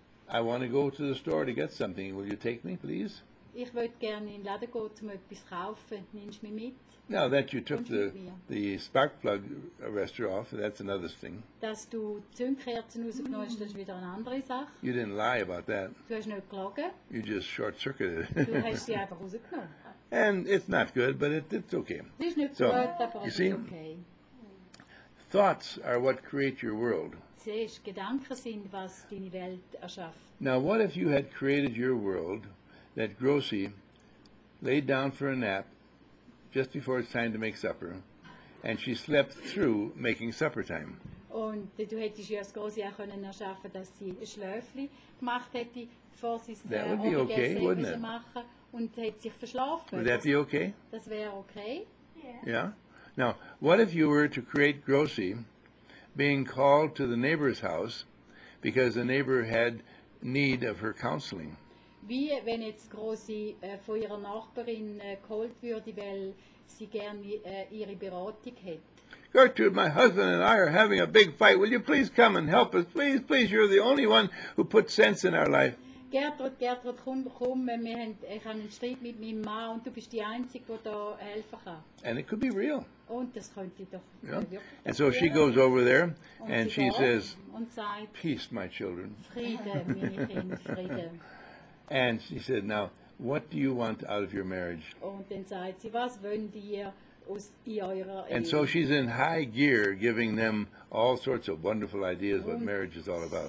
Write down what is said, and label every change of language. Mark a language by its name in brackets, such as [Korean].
[English] I want to go to the store to get something. Will you take me, please? [German] Ich würde gerne in den Laden gehen, um etwas kaufen. Nimmst du mich mit? [English] Now that you took the spark plug arrestor off, that's another thing. [German] Dass du Zündkerzen rausgenommen hast, das ist wieder eine andere Sache. [English] You didn't lie about that. [German] Du hast nicht gelogen. [English] You just short-circuited. [German] Du hast sie einfach rausgenommen. [English] And it's not good, but it's okay. [German] Es ist nicht gut, aber es ist okay. [English] Thoughts are what create your world. [German] Siehst, Gedanken sind, was deine Welt erschafft. [English] Now what if you had created your world that Grossi laid down for a nap just before it's time to make supper, and she slept through making supper time. [German] Und du hättest ja das große auch können erschaffen, dass sie ein Schläfli gemacht hätte, bevor sie es machen und hätte sich verschlafen. [English] Would that be okay? [German] Das wäre okay. [English] Yeah. Yeah. Now, what if you were to create Grossi being called to the neighbor's house because the neighbor had need of her counseling? [German] Wie wenn jetzt Grossi von ihrer Nachbarin geholt würde, weil sie gerne ihre Beratung hätte? [English] Gertrude, my husband and I are having a big fight. Will you please come and help us? Please, please, you're the only one who puts sense in our life. [German] Gertrude, komm, ich habe einen Streit mit meinem Mann und du bist die Einzige, die hier helfen kann. [English] And it could be real. [German] Und das könnte doch wirklich. Yeah. [English] And so she goes over there and she says, [German] und sagt, [English] peace, my children. [German] Friede, meine Kinder, Friede. [English] And she said, now, what do you want out of your marriage? [German] Und dann sagt sie, was wollt ihr? [English] And so she's in high gear giving them all sorts of wonderful ideas what marriage is all about.